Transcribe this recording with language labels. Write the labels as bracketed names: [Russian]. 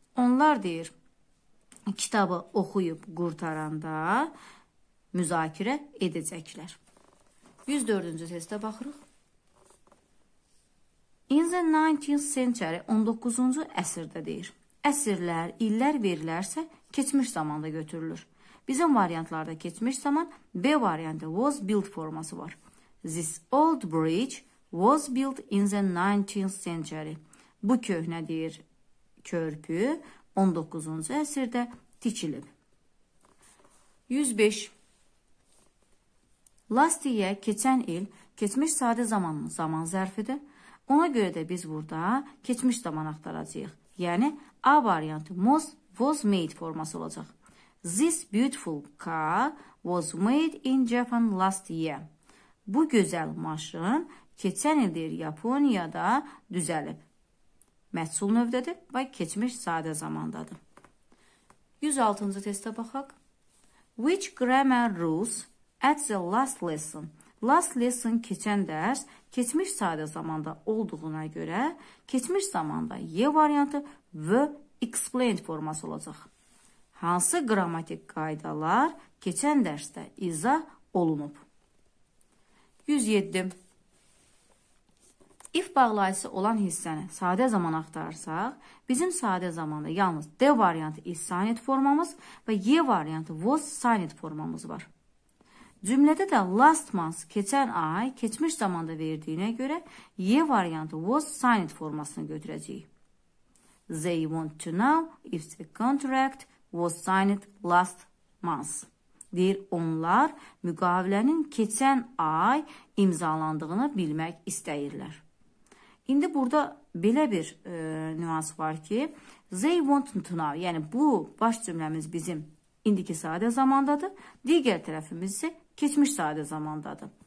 [Azerbaijani] Onlar deyir, kitabı oxuyub qurtaranda müzakirə edəcəklər. 104-cü testə baxırıq. [English] In the 19th century, [Azerbaijani] 19-cu əsrdə deyir. Əsrlər, illər verilərsə, keçmiş zamanda götürülür. Bizim variantlarda keçmiş zaman B variantı [English] was built [Azerbaijani] forması var. [English] This old bridge was built in the 19th century. [Azerbaijani] Bu köhnə deyir körpü 19-cu əsrdə tikilib. 105. [English] Last year, [Azerbaijani] keçən il, keçmiş sadə zamanın zaman zərfidir. Ona görə də biz burada keçmiş zaman axtaracağıq. Yəni, A variantı [English] was made [Azerbaijani] forması olacaq. [English] This beautiful car was made in Japan last year. [Azerbaijani] Bu gözəl maşın keçən ildir Yaponiyada düzəlib. Məhsul növdədir və keçmiş sadə zamandadır. 106-cı testə baxaq. [English] Which grammar rules at the last lesson? Last lesson [Azerbaijani] keçən dərs keçmiş sadə zamanda olduğuna görə keçmiş zamanda Y variantı və explained forması olacaq. Hansı qrammatik qaydalar keçən dərsdə izah olunub? 107. If bağlayıcı olan hissəni sadə zaman axtarsaq, bizim sadə zamanda yalnız D variantı [English] is signed [Azerbaijani] formamız və Y variantı [English] was signed [Azerbaijani] formamız var. Cümlədə də [English] last month, [Azerbaijani] keçən ay, keçmiş zamanda verdiyinə görə Y variantı [English] was signed [Azerbaijani] formasını götürəcəyik. [English] They want to know if the contract was signed last month. [Azerbaijani] Deyir, onlar müqavilənin keçən ay imzalandığını bilmək istəyirlər. İndi burada belə bir nüans var ki, [English] they want to know, [Azerbaijani] yəni bu baş cümləmiz bizim indiki sadə zamandadır, digər tərəfimiz isə keçmiş sadə zamandadır.